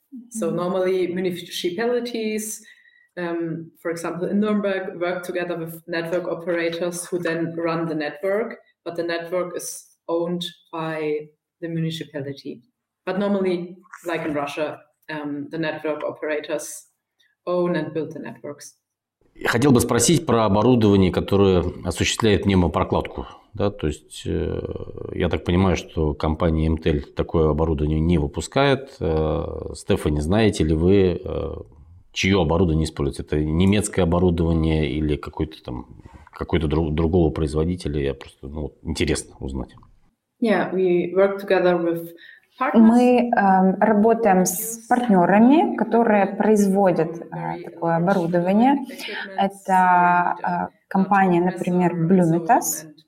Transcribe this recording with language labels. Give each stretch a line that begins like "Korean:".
English: So normally municipalities, for example in Nuremberg, work together with network operators who then run the network, but the network is owned by the municipality. But normally, like in Russia, the network operators own and build the networks.
Russian: Хотел бы спросить про оборудование, которое осуществляет NEMO-прокладку. Да, то есть я так понимаю, что компания MTEL такое оборудование не выпускает. Стефани, знаете ли вы, чье оборудование используется? Это немецкое оборудование или какой-то там какой-то другого производителя? Я просто интересно узнать.
English: Yeah, we work together with partners.
Russian: Мы работаем с партнерами, которые производят такое оборудование. Это компания, например, Blumitas.